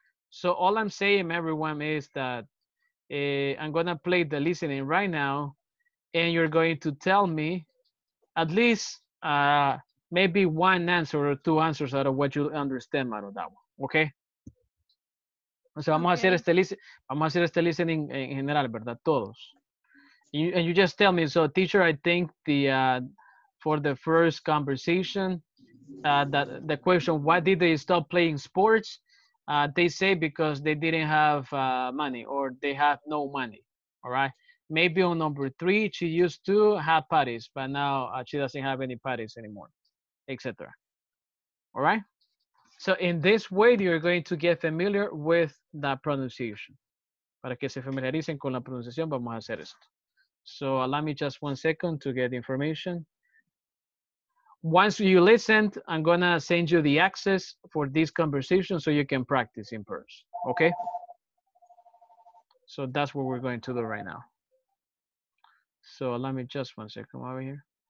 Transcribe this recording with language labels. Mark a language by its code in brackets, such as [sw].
[en] So all I'm saying, everyone, is that I'm gonna play the listening right now, and you're going to tell me at least maybe one answer or two answers out of what you understand out of that one, okay? [es] O sea, vamos, okay. vamos a hacer este listening en general, ¿verdad? Todos. [en] And you just tell me, so teacher, I think for the first conversation, the question, why did they stop playing sports? They say because they didn't have money or they have no money, all right? Maybe on number three, she used to have parties, but now she doesn't have any parties anymore, etc. All right? So in this way, you're going to get familiar with that pronunciation. Para que se familiaricen con la pronunciación, vamos a hacer esto. So allow me just 1 second to get information. Once you listened, I'm going to send you the access for this conversation so you can practice in person, okay? So that's what we're going to do right now. So let me just 1 second over here.